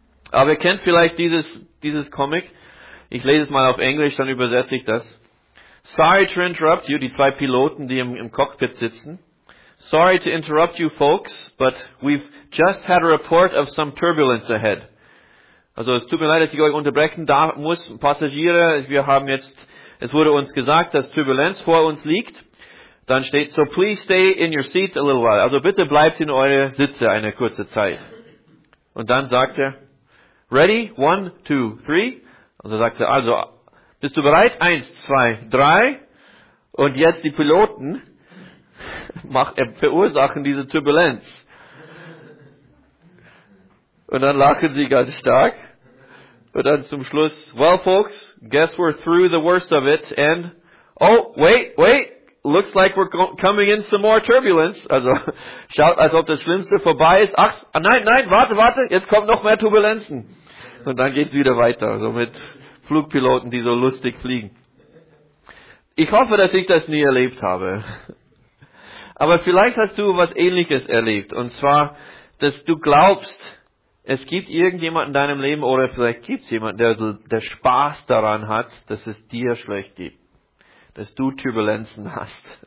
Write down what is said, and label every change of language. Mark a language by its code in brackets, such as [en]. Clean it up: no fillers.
[de] Aber ihr kennt vielleicht dieses Comic. Ich lese es mal auf Englisch, dann übersetze ich das. [en] Sorry to interrupt you, [de] die zwei Piloten, die im Cockpit sitzen. [en] Sorry to interrupt you folks, but we've just had a report of some turbulence ahead. [de] Also es tut mir leid, dass ich euch unterbrechen da muss, Passagiere, wir haben jetzt, es wurde uns gesagt, dass Turbulenz vor uns liegt. Dann steht, [en] so please stay in your seats a little while. [de] Also bitte bleibt in eure Sitze eine kurze Zeit. Und dann sagt er, ready, 1, 2, 3. Also sagt er, also, bist du bereit? 1, 2, 3. Und jetzt die Piloten verursachen diese Turbulenz. Und dann lachen sie ganz stark. Und dann zum Schluss, [en] well folks, guess we're through the worst of it, and, oh, wait, looks like we're coming in some more turbulence. [de] Also, schaut, als ob das Schlimmste vorbei ist. Ach, nein, warte, jetzt kommt noch mehr Turbulenzen. Und dann geht's wieder weiter, so mit Flugpiloten, die so lustig fliegen. Ich hoffe, dass ich das nie erlebt habe. Aber vielleicht hast du was Ähnliches erlebt, und zwar, dass du glaubst, es gibt irgendjemand in deinem Leben oder vielleicht gibt es jemanden, der Spaß daran hat, dass es dir schlecht geht, dass du Turbulenzen hast.